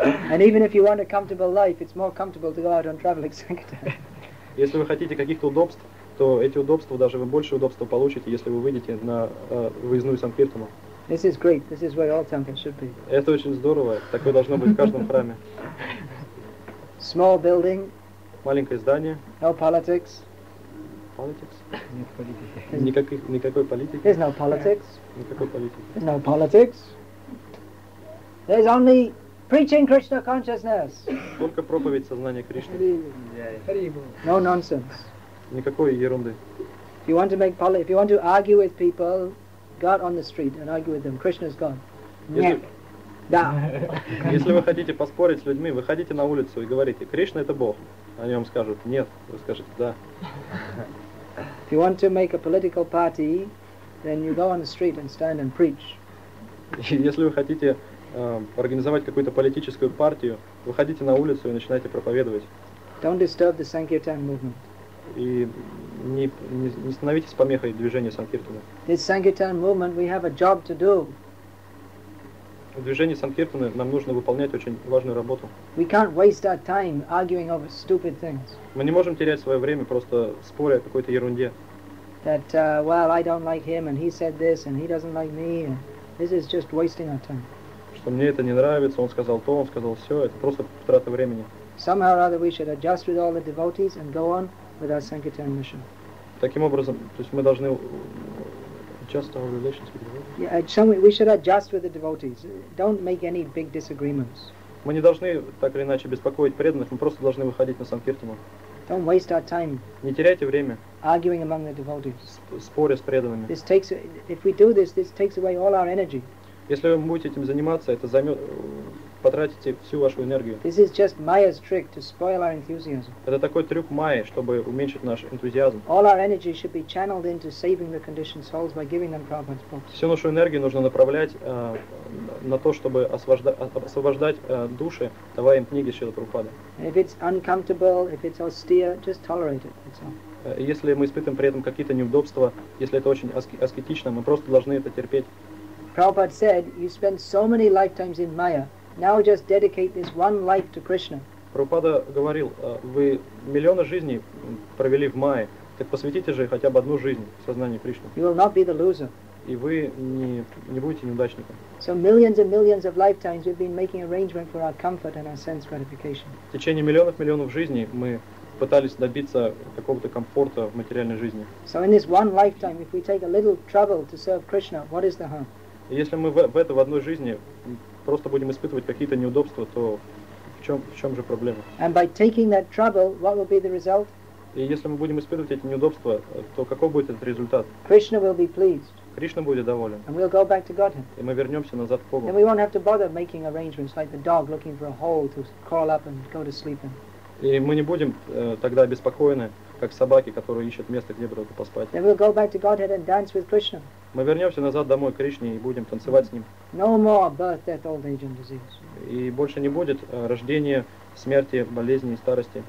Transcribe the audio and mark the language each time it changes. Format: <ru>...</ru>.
<en>And even if you want a comfortable life, it's more comfortable to go out on traveling sankirtan.</en> <ru>Если вы хотите каких-то удобств, то эти удобства, даже вы больше удобства получите, если вы выйдете на выездную санкиртану.</ru> <en>This is great. This is where all temples should be.</en> <ru>Это очень здорово. Такое должно быть в каждом храме.</ru> <en>Small building.</en> <ru>Маленькое здание.</ru> <en>No politics. Politics?</en> <ru>Нет политики. Никакой политики.</ru> <en>There's no politics.</en> <ru>Никакой политики.</ru> <en>There's no politics. There's only preaching Krishna consciousness.</en> <ru>Только проповедь сознания Кришны.</ru> <en>No nonsense.</en> <ru>Никакой ерунды.</ru> <en>you want to make poly, if you want to argue with people, go out on the street and argue with them. Krishna's gone.</en> <ru>Да. Если вы хотите поспорить с людьми, выходите на улицу и говорите: Кришна — это Бог. Они вам скажут: нет. Вы скажете: да.</ru> <en>If you want to make a political party, then you go on the street and stand and preach.</en> <ru>Если вы хотите организовать какую-то политическую партию, выходите на улицу и начинайте проповедовать.</ru> <en>Don't disturb the Sankirtan movement.</en> <ru>И не становитесь помехой движению Санкиртана.</ru> <en>This Sankirtan movement, we have a job to do.</en> <ru>В движении Санкиртаны нам нужно выполнять очень важную работу.</ru> <en>We can't waste our time arguing over stupid things.</en> <ru>Мы не можем терять свое время, просто споря о какой-то ерунде.</ru> <en>That, well, I don't like him, and he said this, and he doesn't like me. This is just wasting our time.</en> <ru>Что мне это не нравится, он сказал то, он сказал все, это просто трата времени.</ru> <en>Somehow or other we should adjust with all the devotees and go on with our Sankirtan mission.</en> <ru>Таким образом, то есть мы должны...</ru> <en>Adjust our relations with devotees. Yeah, some we should adjust with the devotees. Don't make any big disagreements.</en> <ru>Мы не должны так или иначе беспокоить преданных. Мы просто должны выходить на санкиртану.</ru> <en>Don't waste our time.</en> <ru>Не теряйте время.</ru> <en>Arguing among the devotees.</en> <ru>Споря с преданными.</ru> <en>This takes, if we do this, this takes away all our energy.</en> <ru>Если вы будете этим заниматься, это займет, потратите всю вашу энергию.</ru> <en>This is just Maya's trick to spoil our enthusiasm.</en> <ru>Это такой трюк Майи, чтобы уменьшить наш энтузиазм.</ru> <en>All our energy should be channeled into saving the conditioned souls by giving them Prabhupada's books.</en> <ru>Всю нашу энергию нужно направлять на то, чтобы освобождать души, давая им книги Шрилы Прабхупады.</ru> <en>If it's uncomfortable, if it's austere, just tolerate it. That's all.</en> <ru>Если мы испытываем при этом какие-то неудобства, если это очень аскетично, мы просто должны это терпеть.</ru> <en>Prabhupada said, you spend so many lifetimes in Maya, now just dedicate this one life to Krishna.</en> <ru>Prabhupada говорил, вы миллионы жизней провели в Майе, так посвятите же хотя бы одну жизнь в сознании Кришны.</ru> <en>You will not be the loser.</en> <ru>И вы не будете неудачником.</ru> <en>So millions and millions of lifetimes we've been making arrangements for our comfort and our sense gratification.</en> <ru>В течение миллионов жизней мы пытались добиться какого-то комфорта в материальной жизни.</ru> <en>So in this one lifetime, if we take a little trouble to serve Krishna, what is the harm?</en> <ru>Если мы в одной жизни просто будем испытывать какие-то неудобства, то в чем же проблема?</ru> <en>And by taking that trouble, what will be the result?</en> <ru>И если мы будем испытывать эти неудобства, то каков будет этот результат?</ru> <en>Krishna will be pleased.</en> <ru>Кришна будет доволен.</ru> <en>And we'll go back to Godhead.</en> <ru>И мы вернемся назад к Богу.</ru> <en>And we won't have to bother making arrangements like the dog looking for a hole to crawl up and go to sleep in.</en> <ru>И мы не будем тогда обеспокоены, как собаки, которые ищут место, где бы только поспать.</ru> <en>Then we'll go back to Godhead and dance with Krishna.</en> <ru>Мы вернемся назад домой к Кришне и будем танцевать с ним.</ru> <en>No more birth, death, old age and disease.</en> <ru>И больше не будет рождения, смерти, болезни и старости.</ru>